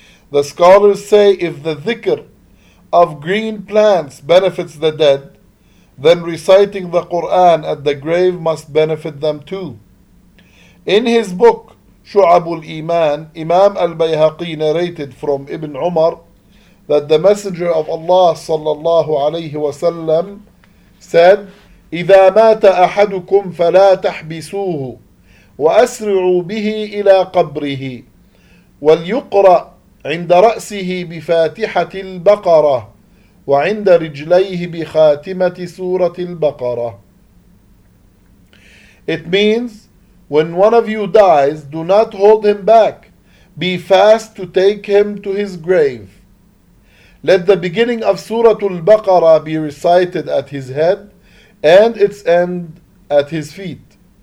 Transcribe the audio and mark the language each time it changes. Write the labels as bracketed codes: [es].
[en] The scholars say if the dhikr of green plants benefits the dead, then reciting the Quran at the grave must benefit them too. In his book, Shu'ab al-Iman, Imam al-Bayhaqi narrated from Ibn Umar that the Messenger of Allah sallallahu alayhi wa sallam said, [ar] إذا مات أحدكم فلا تحبسوه وأسرعوا به إلى قبره، وليقرأ عند رأسه بفاتحة البقرة وعند رجليه بخاتمة سورة البقرة. [en] It means, when one of you dies, do not hold him back. Be fast to take him to his grave. Let the beginning of Surah Al-Baqarah be recited at his head and its end at his feet.